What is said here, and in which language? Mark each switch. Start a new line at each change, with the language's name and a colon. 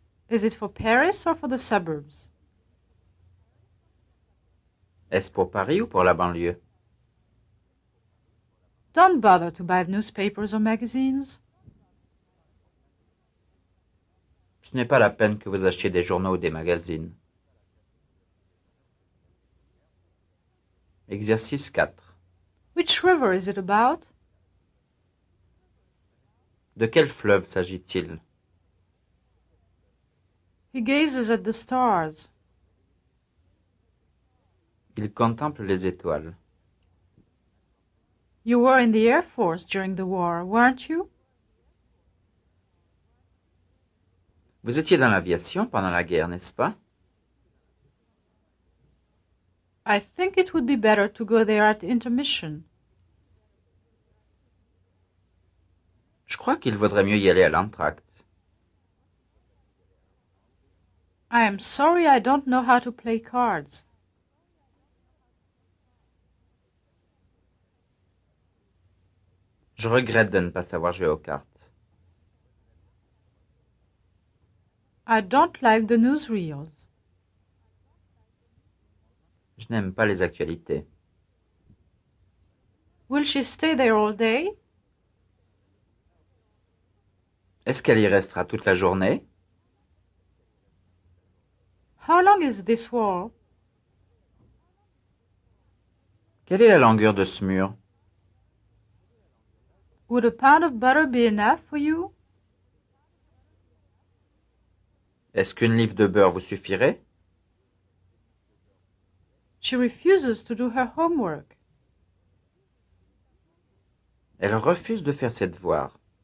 English: Is it for Paris or for the suburbs?
French: Est-ce pour Paris ou pour la banlieue?
English: Don't bother to buy newspapers or magazines.
French: Ce n'est pas la peine que vous achetiez des journaux ou des magazines. Exercice 4.
English: Which river is it about?
French: De quel fleuve s'agit-il?
English: He gazes at the stars.
French: Il contemple les étoiles.
English: You were in the Air Force during the war, weren't you?
French: Vous étiez dans l'aviation pendant la guerre, n'est-ce pas?
English: I think it would be better to go there at intermission.
French: Je crois qu'il vaudrait mieux y aller à l'entracte.
English: I am sorry I don't know how to play cards.
French: Je regrette de ne pas savoir jouer aux cartes.
English: I don't like the newsreels.
French: Je n'aime pas les actualités.
English: Will she stay there all day?
French: Est-ce qu'elle y restera toute la journée?
English: How long is this wall?
French: Quelle est la longueur de ce mur?
English: Would a pound of butter be enough for you?
French: Est-ce qu'une livre de beurre vous suffirait?
English: She refuses to do her homework.
French: Elle refuse de faire ses devoirs.